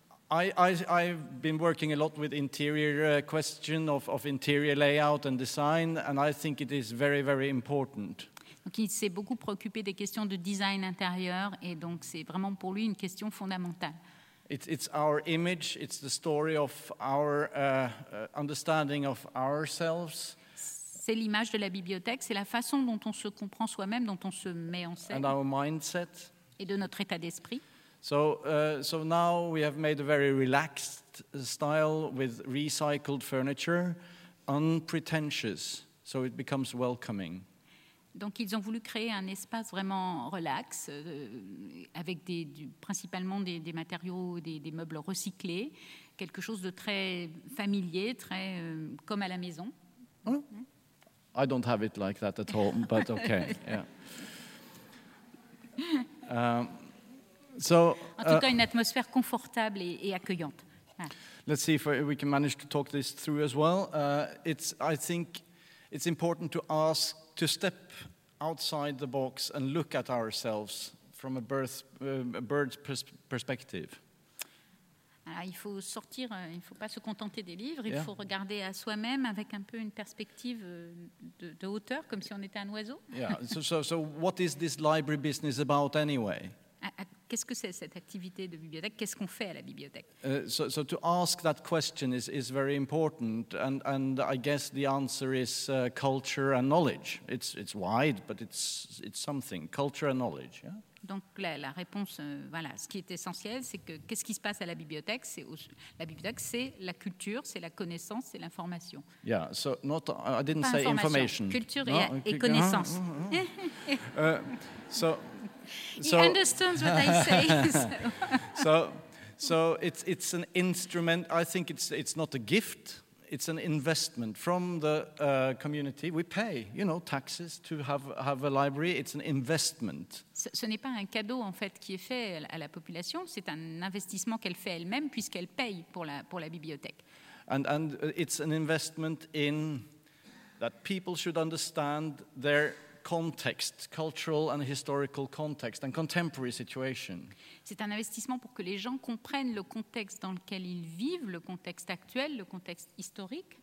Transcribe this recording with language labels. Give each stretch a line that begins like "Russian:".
English: I've been working a lot with interior question of interior layout and design, and I think it is very very important.
French: Donc il s'est beaucoup préoccupé des questions de design intérieur, et donc c'est vraiment pour lui une question fondamentale.
English: It's our image. It's the story of our understanding of ourselves.
French: C'est l'image de la bibliothèque, c'est la façon dont on se comprend soi-même, dont on se met en scène.
English: And our mindset.
French: Et de notre état d'esprit.
English: So now we have made a very relaxed style with recycled furniture, unpretentious, so it becomes welcoming.
French: Donc ils ont voulu créer un espace vraiment relax, avec principalement des matériaux, des meubles recyclés, quelque chose de très familier, très comme à la maison. Mm. Mm.
English: I don't have it like that at all, but okay, yeah.
French: En tout cas, une atmosphère confortable et accueillante. Ah.
English: Let's see if we can manage to talk this through as well. I think it's important to ask to step outside the box and look at ourselves from a bird's perspective.
French: Il faut pas se contenter des livres, il faut regarder à soi-même avec un peu une perspective de hauteur, comme si on était un oiseau.
English: Yeah. So what is this library business about anyway?
French: Qu'est-ce que c'est cette activité de bibliothèque? Qu'est-ce qu'on fait à la bibliothèque?
English: So to ask that question is very important, and I guess the answer is culture and knowledge. It's wide, but it's something. Culture and knowledge. Yeah.
French: Donc la réponse, voilà, ce qui est essentiel, c'est que qu'est-ce qui se passe à la bibliothèque? La bibliothèque, c'est la culture, c'est la connaissance, c'est l'information.
English: Yeah, so not, I didn't
French: pas
English: say information.
French: Culture no, et connaissance.
English: So he understands what I say. So it's an instrument. I think it's not a gift. it's an investment from the community. We pay, you know, taxes to have a library. It's an investment. Ce n'est pas un cadeau en fait qui est fait à la population. C'est un investissement qu'elle fait elle-même puisqu'elle paye pour la bibliothèque. And it's an investment in that people should understand their context, cultural and historical context and contemporary situation. C'est un investissement pour que les gens comprennent le contexte dans lequel ils vivent, le contexte actuel, le contexte historique.